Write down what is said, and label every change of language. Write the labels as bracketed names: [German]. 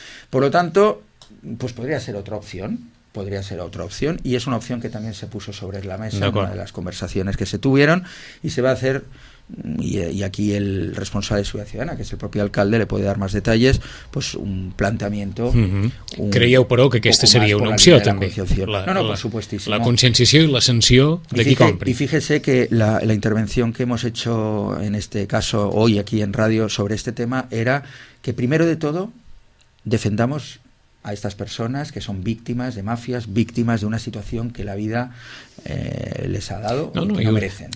[Spanish] Por lo tanto, pues podría ser otra opción y es una opción que también se puso sobre la mesa en una de las conversaciones que se tuvieron y se va a hacer. Y aquí el responsable de Seguridad Ciudadana, que es el propio alcalde, le puede dar más detalles, pues un planteamiento. [Catalan] Creieu, però, que aquesta seria una opció també. [Spanish] No, por supuestísimo. [Catalan] La conscienciació i la sanció de qui compri. [Spanish] Y fíjese que la intervención que hemos hecho en este caso hoy aquí en radio sobre este tema era que primero de todo defendamos a estas personas que son víctimas de mafias, víctimas de una situación que la vida les ha dado no merecen.